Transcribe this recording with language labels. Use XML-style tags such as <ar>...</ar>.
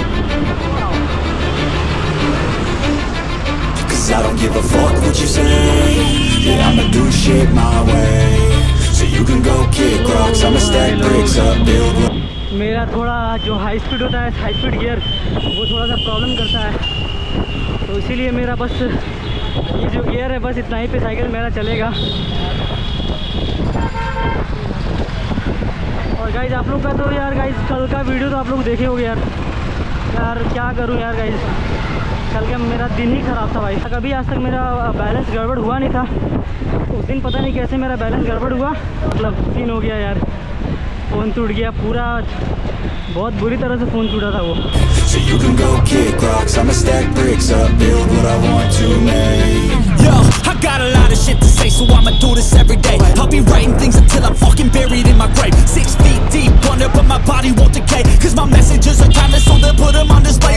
<en>I don't give a fuck what you say. Yeah, I'ma do shit my way. So you can go kick rocks, I'ma stack bricks up, build up.</en> <hi>मेरा थोड़ा जो high speed होता है, high speed gear, वो थोड़ा सा problem करता है, तो इसीलिए मेरा बस ये जो गियर है बस इतना ही पे साइकिल मेरा चलेगा। और गाइज आप लोग का तो यार गाइज कल का वीडियो तो आप लोग देखे होगे यार, यार क्या करूँ यार गाइज, कल का मेरा दिन ही ख़राब था भाई। कभी आज तक मेरा बैलेंस गड़बड़ हुआ नहीं था, उस दिन पता नहीं कैसे मेरा बैलेंस गड़बड़ हुआ, मतलब सीन हो गया यार, फ़ोन टूट गया पूरा, बहुत बुरी तरह से फ़ोन टूटा था वो।</hi> <en>So you can go kick rocks, I'ma stack bricks up, build what I want to make. Yo, I got a lot of shit to say, so I'ma do this every day. I'll be writing things until I'm fucking buried in my grave. 6 feet deep under, but my body won't decay. Cause my messages are timeless, so they'll put them on display.</en>